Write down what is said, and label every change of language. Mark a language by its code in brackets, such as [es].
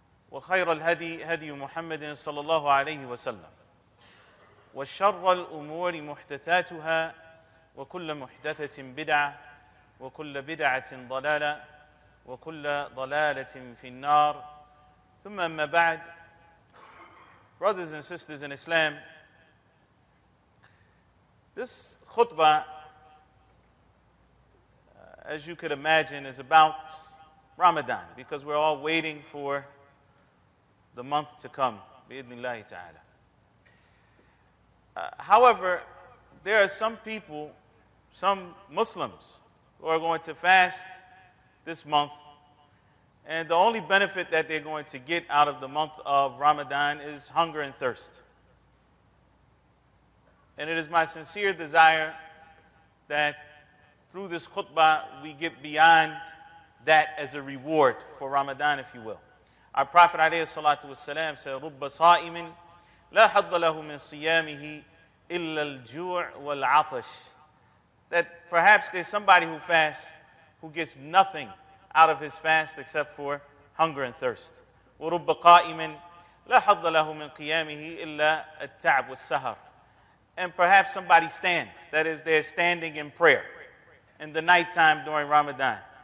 [ar] وخير الهدي هدي محمد صلى الله عليه وسلم وشر الأمور محدثاتها وكل محدثة بدعة وكل بدعة ضلالة وكل ضلالة في النار ثم أما بعد. [en] Brothers and sisters in Islam, this khutbah, as you could imagine, is about Ramadan, because we're all waiting for the month to come, bi-idhnillahi ta'ala. However, there are some people, some Muslims, who are going to fast this month. And the only benefit that they're going to get out of the month of Ramadan is hunger and thirst. And it is my sincere desire that through this khutbah we get beyond that as a reward for Ramadan, if you will. Our Prophet [ar] عليه الصلاة والسلام [en] said, [ar] رُبَّ صَائِمٍ لَا حَظَّ لَهُ مِنْ صِيَامِهِ إِلَّا الْجُوعِ وَالْعَطَشِ. [en] That perhaps there's somebody who fasts who gets nothing out of his fast except for hunger and thirst. [ar] وَرُبَّ قَائِمٍ لَا حَظَّ لَهُ مِنْ قِيَامِهِ إِلَّا التَّعْبُ وَالسَّهَرُ. [en] And perhaps somebody stands, that is, they're standing in prayer in the nighttime during Ramadan.